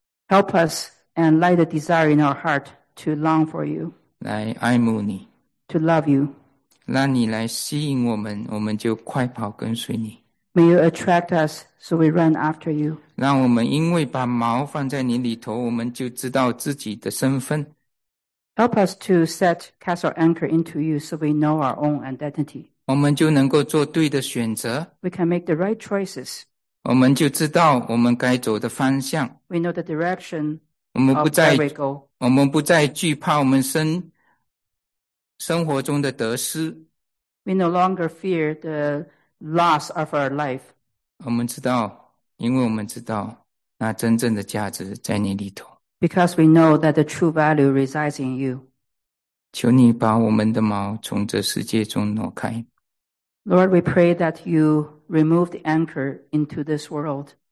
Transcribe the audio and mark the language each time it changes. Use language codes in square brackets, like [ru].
[en] Help us and light a desire in our heart to long for you. [zh] 来爱慕你。 [en] To love you. [zh] 让你来吸引我们，我们就快跑跟随你。 [en] May you attract us so we run after you. [zh] 让我们因为把锚放在你里头，我们就知道自己的身份。 [en] Help us to cast our anchor into you so we know our own identity. [zh] 我们就能够做对的选择。 [en] We can make the right choices. [zh] 我们就知道我们该走的方向。 [en] We know the direction of where we go. [zh] 我们不再惧怕我们生活中的得失。 [en] We no longer fear the loss of our life. [zh] 我们知道，因为我们知道那真正的价值在你里头。 [en] Because we know that the true value resides in you. [zh] 求你把我们的锚从这世界中挪开。 [en] Lord, we pray that you remove the anchor into this world.